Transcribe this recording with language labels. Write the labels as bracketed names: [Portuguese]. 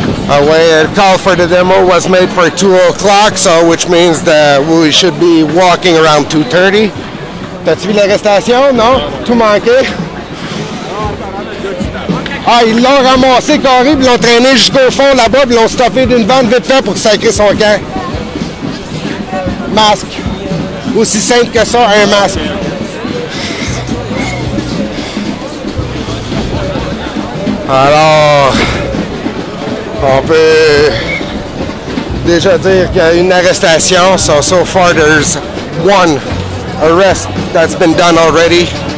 [English] The call for the demo was made for 2 o'clock, so which means that we should be walking around 2:30. [French] T'as-tu vu l'arrestation? Non? Tout manqué? Ah, ils l'ont ramassé carré, puis l'ont traîné jusqu'au fond là-bas, puis l'ont stoppé d'une bande vite fait pour sacrer son camp. Masque. Aussi simple que ça, un masque. Alors, on peut déjà dire qu'il y a une arrestation. [English] So far, there's one arrest that's been done already.